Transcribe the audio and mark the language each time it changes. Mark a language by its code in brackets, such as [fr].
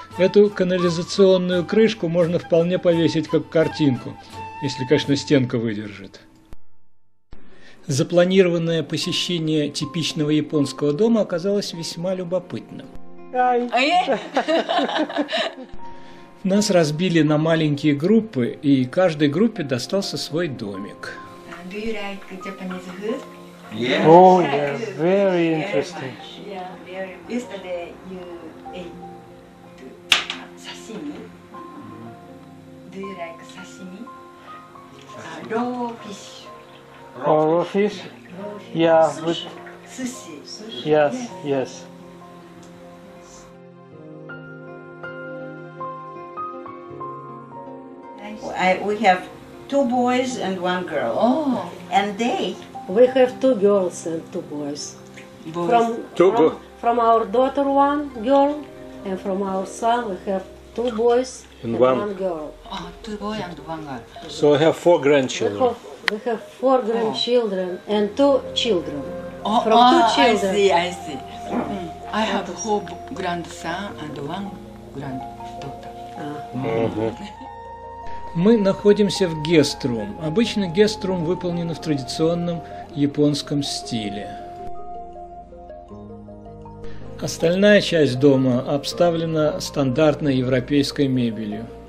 [ru] Эту канализационную крышку можно вполне повесить как картинку, если, конечно, стенка выдержит. Запланированное посещение типичного японского дома оказалось весьма любопытным. Нас разбили на маленькие группы, и каждой группе достался свой домик. [en] Do you like Japanese food? Yes. Oh, yes. Very interesting. Yeah, very. Yesterday you ate sashimi. Do you like sashimi? Raw fish. Or fish? Yeah, sushi. With sushi. Yes, yes. We have two boys and one girl. Oh, and they? We have two girls and two boys. Boys. From our daughter, one girl, and from our son, we have two boys and one girl. Oh, two boys and one girl. So we have four grandchildren. We have four grandchildren and two children. Oh, from two children. I see. Mm-hmm. I have four grandson and one granddaughter. [ru] Мы находимся в guest room. Обычно guest room выполнен в традиционном японском стиле. Остальная часть дома обставлена стандартной европейской мебелью.